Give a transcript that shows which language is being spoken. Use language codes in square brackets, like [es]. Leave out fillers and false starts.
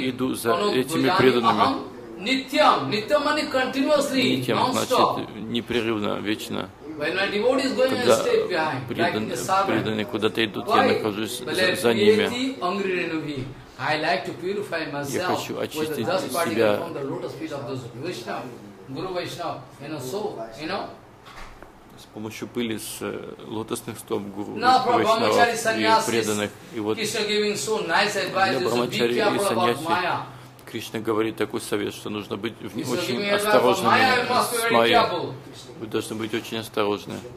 [ru] Я всегда иду за этими преданными. [en] Nityam, nityam means continuously, non-stop. [ru] Nityam значит непрерывно, вечно. [en] When my devotees go and stay behind, like the servant. [ru] Преданные куда-то идут, я нахожусь за ними. [en] I like to purify myself. [ru] Я хочу очистить себя. [en] With the dust particle from the lotus feet of those Vaishnava, Guru Vaishnava, you know, so, you know. [ru] С помощью пыли с лотосных стоп Гуру Вайшнава и преданных. И вот для Брахмачари и Саньяси Кришна говорит такой совет, что нужно быть очень осторожными с Майя. Вы должны быть очень осторожны.